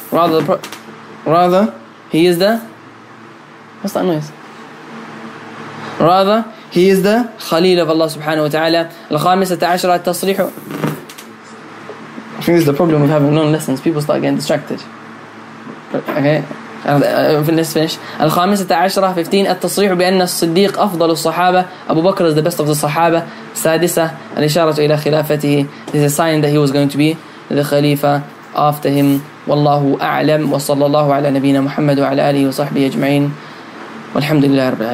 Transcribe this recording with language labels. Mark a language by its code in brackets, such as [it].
[en] Rather, he is the, what's that noise? Rather, he is the خليل of Allah سبحانه وتعالى. [ar] الخامسة عشرة التصريح. [en] I think this is the problem with having long lessons. People start getting distracted. Okay. [ar] الخامسة عشرة 15 التصريح بأن الصديق أفضل الصحابة. [en] أبو بكر is the best of the صحابة. [ar] سادسة الإشارة إلى خلافته. [en] This is a sign that he was going to be the خليفة after him. [ar] والله أعلم. وصلى الله على نبينا محمد وعلى آله وصحبه أجمعين. والحمد لله رب العالمين.